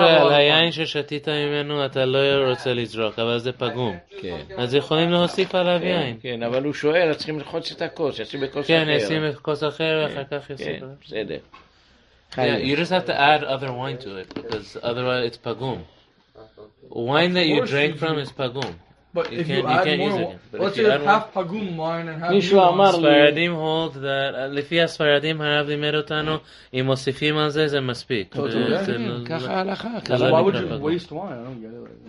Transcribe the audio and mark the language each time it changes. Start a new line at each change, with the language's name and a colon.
Hebrew: היין ששתית ממנו אתה לא רוצה לזרוק אבל זה פגום אז יכולים להוסיף עליו יין כן אבל הוא שואל צריכים לחוץ את הכוס ישים בכוס אחר כן ישים בכוס אחר אחר כך יוסיף בסדר
English: you just have to add other wine to it because otherwise it's pagum wine that you drank from is pagum But you if you add more, what's your half pagum wine and half new ones?
Hebrew: לפי הספרדים הרב לימד אותנו, אם מוסיפים על זה, זה מספיק. ככה הלכה.
English: Why would you waste wine? I don't get it.